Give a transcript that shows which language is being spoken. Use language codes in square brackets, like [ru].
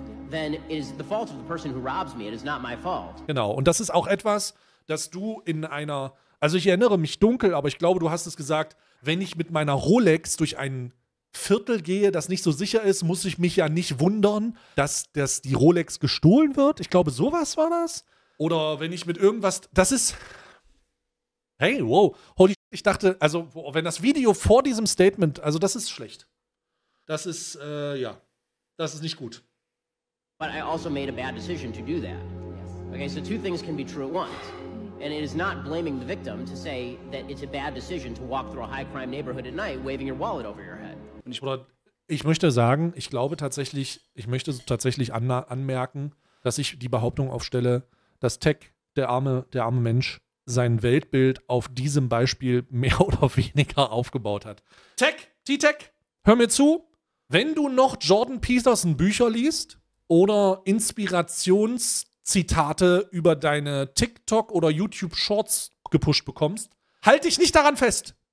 [en] Then it is the fault of the person who robs me. It is not my fault. [de] Genau, und das ist auch etwas, dass du in einer, also ich erinnere mich dunkel, aber ich glaube, du hast es gesagt, wenn ich mit meiner Rolex durch ein Viertel gehe, das nicht so sicher ist, muss ich mich ja nicht wundern, dass die Rolex gestohlen wird. Ich glaube, sowas war das. Oder wenn ich mit irgendwas, das ist, hey, wow, [en] holy shit, [de] ich dachte, also wenn das Video vor diesem Statement, also das ist schlecht. Das ist, das ist nicht gut. [en] But I also made a bad decision to do that. Yes. Okay, so two things can be true at once. And it is not blaming the victim to say that it's a bad decision to walk through a high crime neighborhood at night waving your wallet over your head. [de] Ich möchte anmerken, dass ich die Behauptung aufstelle, dass Tech, der arme Mensch, sein Weltbild auf diesem Beispiel mehr oder weniger aufgebaut hat. Tech, T-Tech, hör mir zu, wenn du noch Jordan Peterson Bücher liest, oder Inspirationszitate über deine TikTok- oder YouTube-Shorts gepusht bekommst, halt dich nicht daran fest.